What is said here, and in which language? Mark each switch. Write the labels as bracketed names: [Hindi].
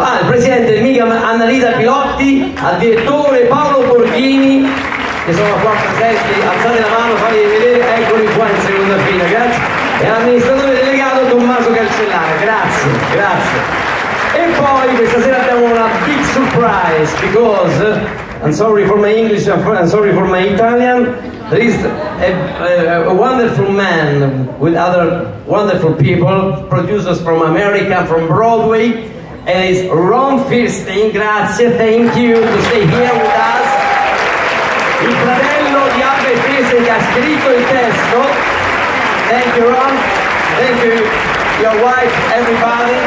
[Italian] Ah, il presidente del Miriam, Annalisa Pilotti, al direttore Paolo Borghini, che sono qua presenti, alzate la mano, fatevi vedere, eccoli qua in seconda fila, grazie. E l'amministratore delegato Tommaso Calcellare, grazie, grazie. E poi questa sera abbiamo una [English] big surprise, because... I'm sorry for my English, I'm sorry for my Italian. There is a wonderful man with other wonderful people, producers from America, from Broadway, and it's Ron Firstein. [Italian] Grazie, [English] thank you to stay here with us. [Italian] Il fratello di Abbe Firstein ha scritto il testo. [English] Thank you, Ron. Thank you, your wife, everybody.